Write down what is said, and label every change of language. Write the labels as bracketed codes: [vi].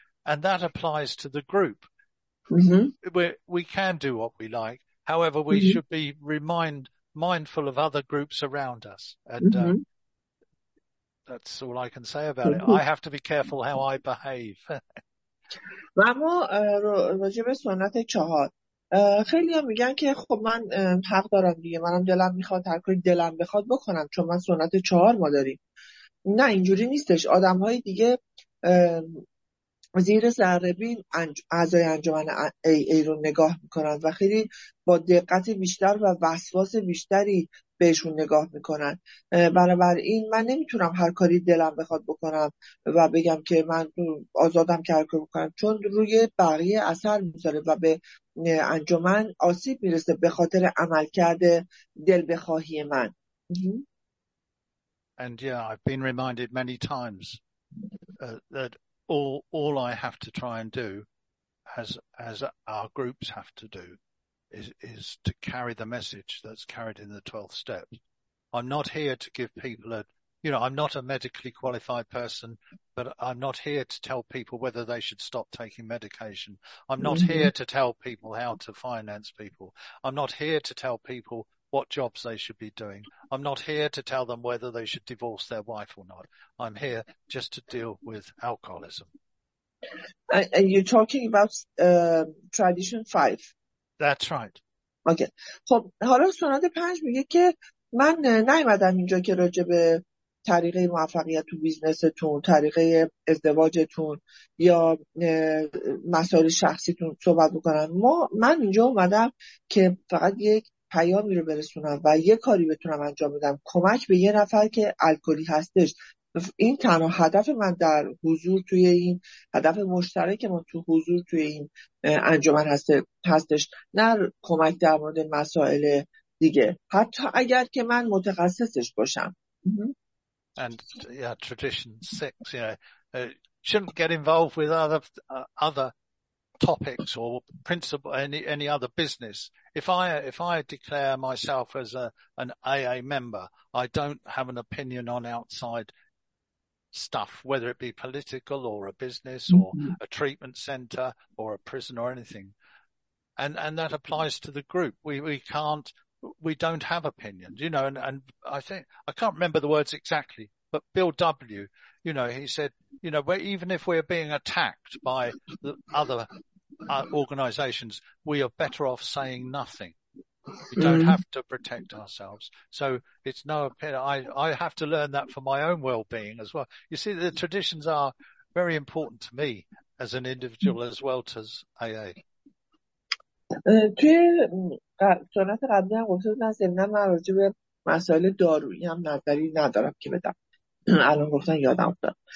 [en] And that applies to the group. Mm-hmm. We can do what we like. However, we mm-hmm. should be mindful of other groups around us. And mm-hmm. that's all I can say about mm-hmm. it. I have to be careful how I behave. [fa] و اما راجع به سنت چهار، خیلی ها میگن که خب من حق دارم دیگه، منم دلم میخواد هر کاری دلم بخواد بکنم، چون من سنت چهار ما داریم. نه، اینجوری نیستش. آدم های دیگه زیر ذره بین اعضای انجمن ای رو نگاه میکنند و خیلی با دقت بیشتر و وسواس بیشتری بهشون نگاه میکنن. بنابراین من نمیتونم هر کاری دلم بخواد بکنم و بگم که من آزادم که هر کاری بکنم، چون روی بقیه اثر میذاره و به انجمن آسیب میرسه به خاطر عمل کرده دل بخواهی من. [en] And yeah, I've been reminded many times that all I have to try and do, as our groups have to do, is to carry the message that's carried in the 12th step. I'm not here to give people a, you know, I'm not a medically qualified person, but I'm not here to tell people whether they should stop taking medication. I'm not here to tell people how to finance people. I'm not here to tell people what jobs they should be doing. I'm not here to tell them whether they should divorce their wife or not. I'm here just to deal with alcoholism. And you're talking about tradition 5. That's right. Okay. [fa] خب حالا سنت 5 میگه که من نیومدم اینجا که راجع به طریقه موفقیت تو بیزنستون، طریقه ازدواجتون یا مسائل شخصیتون صحبت بکنم. من اینجا اومدم که فقط یک پیامی رو برسونم و یه کاری بتونم انجام بدم، کمک به یه نفر که الکلی هستش. این تنها هدف من در حضور توی این، هدف مشترک من تو حضور توی این انجمن هستش، نه کمک در مورد مسائل دیگه، حتی اگر که من متخصصش باشم. [en] And yeah, tradition 6, you know, shouldn't get involved with other topics or principle any other business. If I declare myself as an AA member, I don't have an opinion on outside stuff, whether it be political or a business or a treatment center or a prison or anything. And that applies to the group. We don't have opinions, you know, and I think, I can't remember the words exactly, but Bill W, you know, he said, you know, even if we're being attacked by the other organizations, we are better off saying nothing. We don't have to protect ourselves. So it's no opinion. I have to learn that for my own well-being as well. You see, the traditions are very important to me as an individual as well as AA. [fa] توی سنت قبلی هم گفته بودن زمینا من راجع به مسائل دارویی هم نظری ندارم که بدم، الان گفتن یادم افتاد.